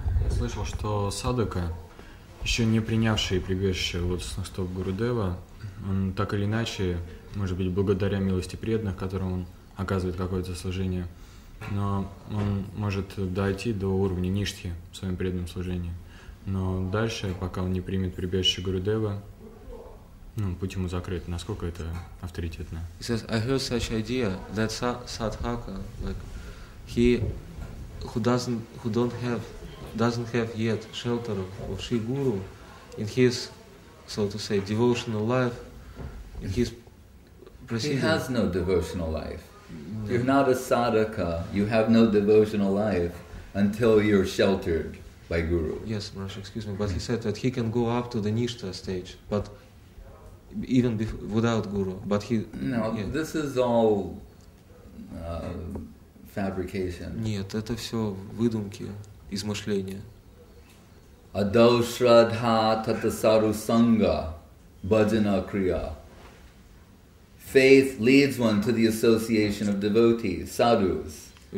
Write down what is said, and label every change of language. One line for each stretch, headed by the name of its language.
Russian: слышал, что Садока, еще не принявший прибежище вот с настоп Гурудева, он так или иначе, может быть, благодаря милости преданных, которым он оказывает какое-то служение, но он может дойти до уровня ништхи в своем преданном служении. Но дальше, пока он не примет прибежище Гурудева, ну, путь ему закрыт. Насколько это авторитетно?
English: He says, I heard such idea that Sadhaka, like, he who doesn't have yet shelter of Shri Guru in his, so to say, devotional life, in his proceeding. He has no devotional life. You're not a sadhaka. You have no devotional life until you're sheltered by Guru. Yes, Maharaj, excuse me, but he said that he can go up to the nishtha stage, but even without Guru. But he no. Yeah. This is all fabrication.
Russian: Нет, это все выдумки, измышления.
Sanskrit: Адау шрадха татасару санга баджана крия.
English: Faith leads one to the association of devotees, sadhus.